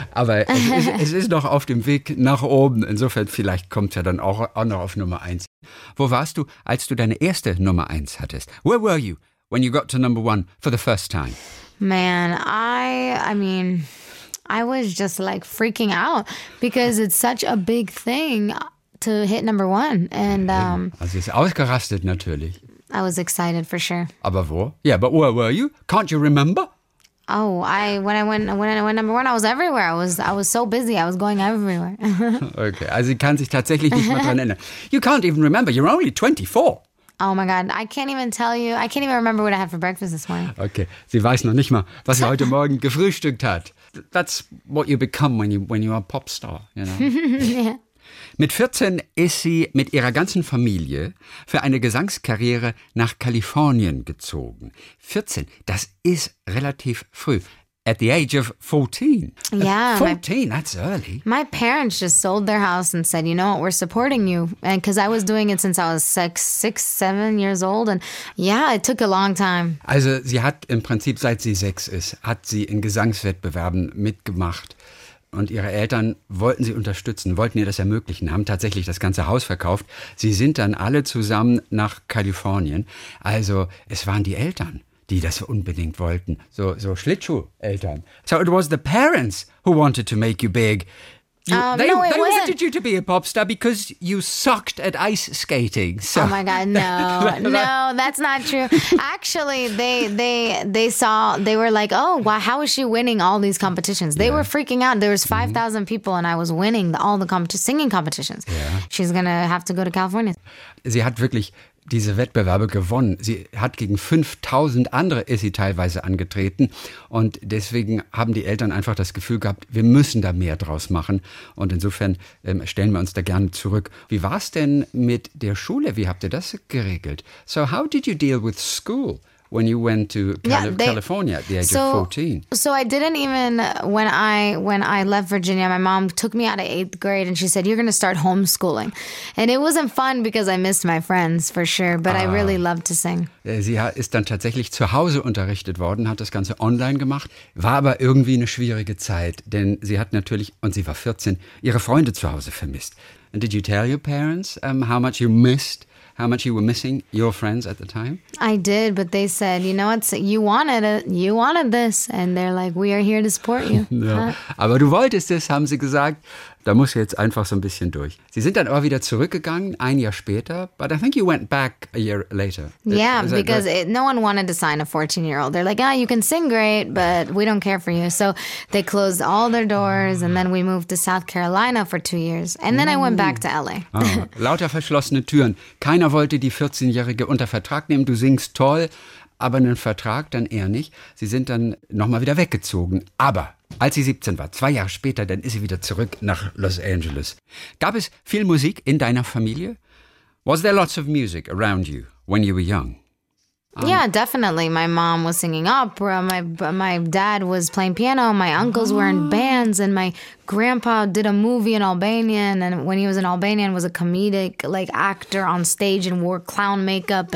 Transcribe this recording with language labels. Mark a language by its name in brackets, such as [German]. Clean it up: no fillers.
[German] Aber es ist noch auf dem Weg nach oben. Insofern, vielleicht kommt ja dann auch noch auf Nummer 1. Wo warst du, als du deine erste Nummer 1 hattest? [English] Where were you when you got to number 1 for the first time? Man, I was just like freaking out because it's such a big thing to hit number 1. And [German] also ist ausgerastet natürlich. [English] I was excited for sure. [German] Aber wo? [English] Yeah, but where were you? Can't you remember? Oh, when I went number 1, I was everywhere. I was so busy. I was going everywhere. [German] Okay, also kann sich tatsächlich nicht mehr dran erinnern. [English] You can't even remember. You're only 24. Oh my God, I can't even tell you. I can't even remember what I had for breakfast this morning. [German] Okay, sie weiß noch nicht mal, was sie heute Morgen gefrühstückt hat. [English] That's what you become when you are a pop star, you know. Yeah. [German] Mit 14 ist sie mit ihrer ganzen Familie für eine Gesangskarriere nach Kalifornien gezogen. 14, das ist relativ früh. [English] At the age of 14. Yeah. 14, that's early. My parents just sold their house and said, you know what, we're supporting you. And because I was doing it since I was six, seven years old. And yeah, it took a long time. [German] Also sie hat im Prinzip, seit sie 6 ist, hat sie in Gesangswettbewerben mitgemacht. Und ihre Eltern wollten sie unterstützen, wollten ihr das ermöglichen, haben tatsächlich das ganze Haus verkauft. Sie sind dann alle zusammen nach Kalifornien. Also es waren die Eltern, die das unbedingt wollten. So Schlittschuh-Eltern. [English] So it was the parents who wanted to make you big. They wanted you to be a pop star because you sucked at ice skating. So. Oh my God, no. No, that's not true. Actually, they were like, oh, wow, how is she winning all these competitions? They were freaking out. There was 5,000 mm-hmm. people and I was winning all the singing competitions. Yeah. She's gonna have to go to California. [German] Sie hat wirklich diese Wettbewerbe gewonnen. Sie hat gegen 5000 andere ist sie teilweise angetreten. Und deswegen haben die Eltern einfach das Gefühl gehabt, wir müssen da mehr draus machen. Und insofern stellen wir uns da gerne zurück. Wie war es denn mit der Schule? Wie habt ihr das geregelt? [English] So how did you deal with school when you went to California at the age of 14? So I didn't even, when I left Virginia, my mom took me out of 8th grade and she said, you're going to start homeschooling. And it wasn't fun because I missed my friends for sure, but I really loved to sing. [German] Sie ist dann tatsächlich zu Hause unterrichtet worden, hat das Ganze online gemacht, war aber irgendwie eine schwierige Zeit, denn sie hat natürlich, und sie war 14, ihre Freunde zu Hause vermisst. [English] And did you tell your parents how much you were missing your friends at the time? I did, but they said, you know what, you wanted this. And they're like, we are here to support you. [German] Ja. Aber du wolltest es, haben sie gesagt. Da musst du jetzt einfach so ein bisschen durch. Sie sind dann aber wieder zurückgegangen, ein Jahr später. [English] But I think you went back a year later. No one wanted to sign a 14-year-old. They're like, you can sing great, but we don't care for you. So they closed all their doors and then we moved to South Carolina for 2 years. And then I went back to LA. [German] Lauter verschlossene Türen. Keiner wollte die 14-Jährige unter Vertrag nehmen. Du singst toll, aber einen Vertrag dann eher nicht. Sie sind dann nochmal wieder weggezogen. Aber als sie 17 war, 2 Jahre später, dann ist sie wieder zurück nach Los Angeles. Gab es viel Musik in deiner Familie? [English] Was there lots of music around you when you were young? Yeah, definitely. My mom was singing opera. My dad was playing piano. My uncles were in bands. And my grandpa did a movie in Albanian. And when he was in Albanian, was a comedic like actor on stage and wore clown makeup.